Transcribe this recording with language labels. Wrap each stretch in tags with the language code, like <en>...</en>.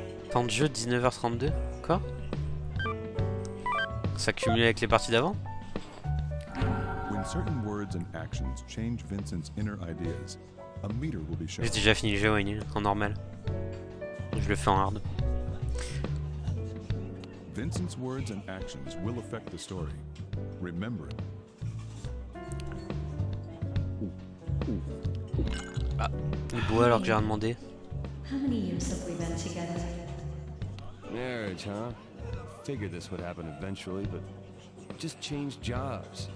<fr>Temps de jeu 19h32. Quoi? S'accumuler avec les parties d'avant?</fr> <en>When certain words and actions change Vincent's inner ideas, a meter will be shown.</en> <fr>J'ai déjà fini le jeu, ouais, en normal. Je le fais en hard.</fr> <en>Vincent's words and actions will affect the story. Remember.</en> <fr>Ah, il boit alors que j'ai rien demandé.</fr> <en>Marriage, huh? Figured this would happen eventually, but just change jobs.</en>